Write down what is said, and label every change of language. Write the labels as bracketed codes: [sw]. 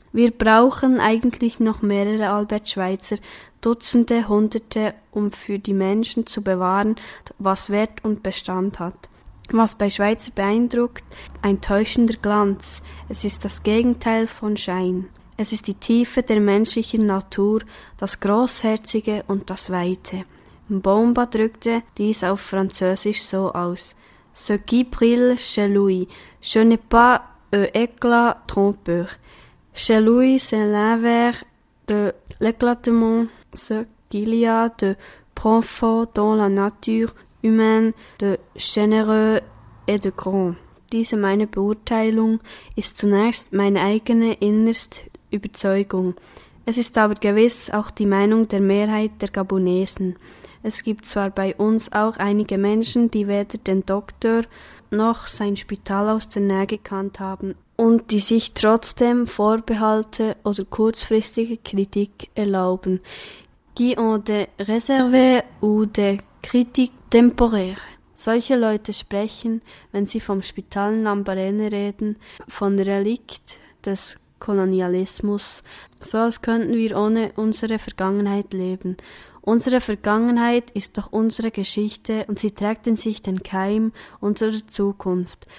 [de] Wir brauchen eigentlich noch mehrere Albert Schweitzer, Dutzende, Hunderte, um für die Menschen zu bewahren, was Wert und Bestand hat. Was bei Schweitzer beeindruckt, ein täuschender Glanz. Es ist das Gegenteil von Schein. Es ist die Tiefe der menschlichen Natur, das Großherzige und das Weite. Mbomba drückte dies auf Französisch so aus. [fr] Ce qui brille chez lui, je n'ai pas un éclat trompeur. Chez lui, c'est l'inverse de l'éclatement, ce qu'il y a de profond dans la nature humaine, de généreux et de grand. [de] Diese meine Beurteilung ist zunächst meine eigene innerste Überzeugung. Es ist aber gewiss auch die Meinung der Mehrheit der Gabunesen. Es gibt zwar bei uns auch einige Menschen, die weder den Doktor noch sein Spital aus der Nähe gekannt haben und die sich trotzdem Vorbehalte oder kurzfristige Kritik erlauben. [fr] Qui ont des réserves ou des critiques temporaires. [de] Solche Leute sprechen, wenn sie vom Spital Lambarene reden, von Relikt des Kolonialismus. So als könnten wir ohne unsere Vergangenheit leben. Unsere Vergangenheit ist doch unsere Geschichte und sie trägt in sich den Keim unserer Zukunft.